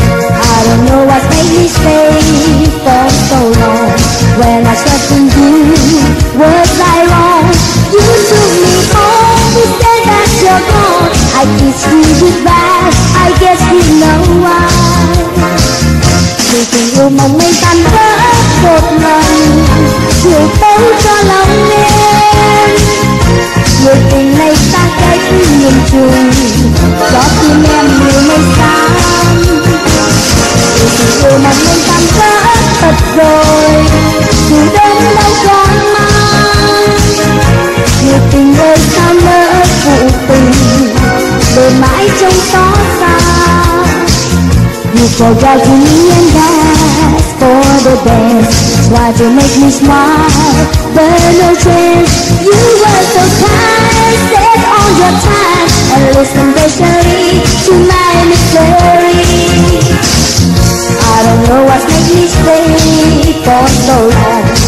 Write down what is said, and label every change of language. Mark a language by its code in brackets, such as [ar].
[en] I don't know what made me stay for so long. When I questioned you, was I wrong? You took me home, you said that you're gone. I kissed you goodbye, I guess you know why. [vi] Chỉ yêu mong mây tan vỡ một lần, chiều tối cho lòng em. Người tình này xa cách miền trung, gió tim em nhiều mây xám. Chỉ yêu mong mây tan vỡ thật rồi, dù đêm lâu còn mang. Người tình ơi sao lỡ phụ tình, để mãi trông xó xa. [en] You forgot me and asked for the best. Why'd you make me smile? But no chance. You were so kind, set all your time and listen patiently to my mystery. I don't know what made me stay for so long.